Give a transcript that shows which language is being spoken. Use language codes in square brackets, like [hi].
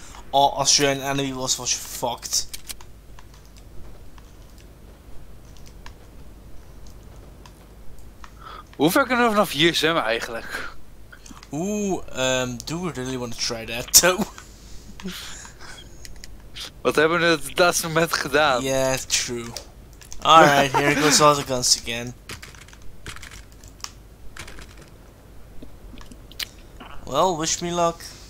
[nl] Oh, als je een enemy was je fucked. Hoe ver kunnen we vanaf hier zwemmen eigenlijk? [en] Do we really want to try that though? [nl] Wat hebben we het laatste moment gedaan? [en] Yeah, true. Alright, here goes all the guns again. Well, wish me luck.